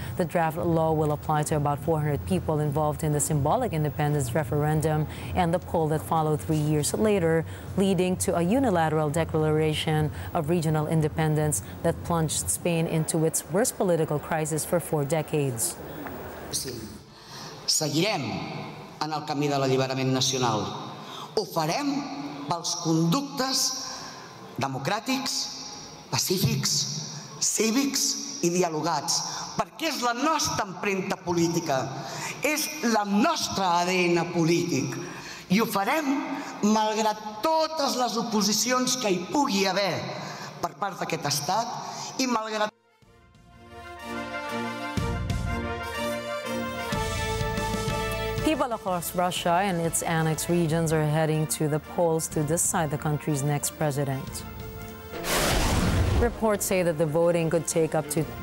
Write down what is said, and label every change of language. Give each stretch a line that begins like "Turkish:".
English: The draft law will apply to about 400 people involved in the symbolic independence referendum and the poll that followed 3 years later, leading to a unilateral declaration of regional independence that plunged Spain into its worst political crisis for 4 decades.
Catalan: Sí. Seguirem en el camí de l'alliberament nacional. Ho farem pels conductes democràtics, pacífics, cívics i dialogats, perquè és la nostra empremta política, és la nostra ADN polític, i ho farem malgrat totes les oposicions que hi pugui haver.
English: People across Russia and its annexed regions are heading to the polls to decide the country's next president. Reports say that the voting could take up to